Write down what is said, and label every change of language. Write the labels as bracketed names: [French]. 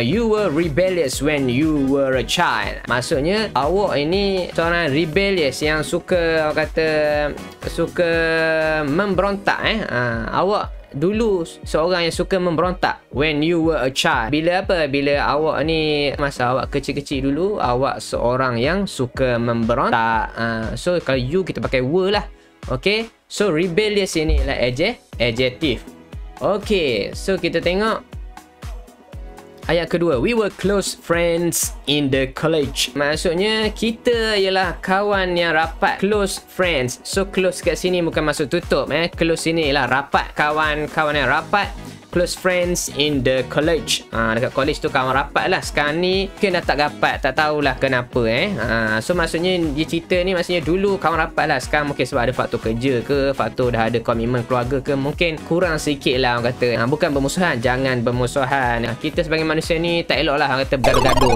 [English] You were rebellious when you were a child. [Malay] Maksudnya awak ini seorang rebellious yang suka, orang kata, suka memberontak. Awak dulu seorang yang suka memberontak. [English] When you were a child, bila apa? [Malay] Bila awak ni, masa awak kecil-kecil dulu, awak seorang yang suka memberontak. So kalau you, kita pakai were lah. Okay, so rebellious ini ialah adjective. Okay, so kita tengok ayat kedua. [English] We were close friends in the college. [Malay] Maksudnya kita ialah kawan yang rapat, close friends. So close kat sini bukan maksud tutup, close sini ialah rapat, kawan-kawan yang rapat. [English] Close friends in the college. [Malay] Dekat college tu kawan rapat lah. Sekarang ni mungkin dah tak rapat, tak tahulah kenapa. So maksudnya dia cerita ni, maksudnya dulu kawan rapat lah, sekarang mungkin sebab ada faktor kerja ke, faktor dah ada komitmen keluarga ke, mungkin kurang sikit lah orang kata. Bukan bermusuhan, jangan bermusuhan. Kita sebagai manusia ni tak elok lah orang kata bergaduh.